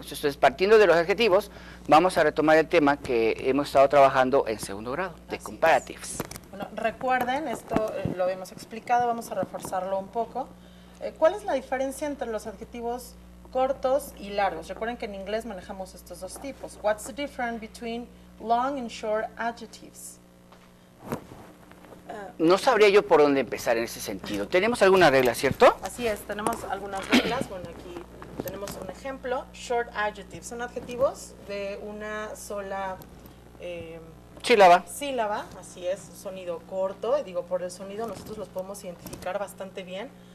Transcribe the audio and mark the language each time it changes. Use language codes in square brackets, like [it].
[es] Entonces, partiendo de los adjetivos, vamos a retomar el tema que hemos estado trabajando en segundo grado, de Así es. [en] comparatives. [es] Bueno, recuerden, esto lo habíamos explicado, vamos a reforzarlo un poco. ¿Cuál es la diferencia entre los adjetivos cortos y largos? Recuerden que en inglés manejamos estos dos tipos. [en] What's the difference between long and short adjectives? [es] No sabría yo por dónde empezar en ese sentido. Tenemos alguna regla, ¿cierto? Así es, tenemos algunas reglas. Bueno, aquí tenemos un ejemplo. [en] Short adjectives [es] son adjetivos de una sola Sílaba. sílaba, así es, un sonido corto, y digo, por el sonido nosotros los podemos identificar bastante bien.